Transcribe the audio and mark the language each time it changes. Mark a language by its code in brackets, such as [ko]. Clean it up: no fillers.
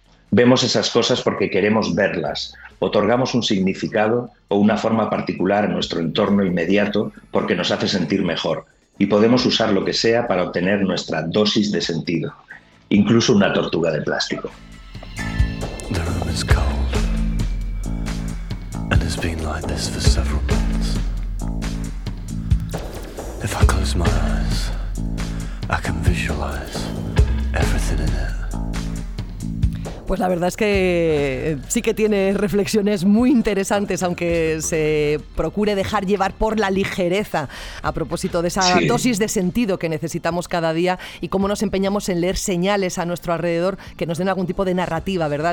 [es] Vemos esas cosas porque queremos verlas, otorgamos un significado o una forma particular a nuestro entorno inmediato porque nos hace sentir mejor. Y podemos usar lo que sea para obtener nuestra dosis de sentido, incluso una tortuga de plástico. [en] The room is cold, and it's been like this for several months. If I close my eyes, I can visualize everything in it. [es] Pues la verdad es que sí que tiene reflexiones muy interesantes, aunque se procure dejar llevar por la ligereza a propósito de esa sí. dosis de sentido que necesitamos cada día y cómo nos empeñamos en leer señales a nuestro alrededor que nos den algún tipo de narrativa, ¿verdad?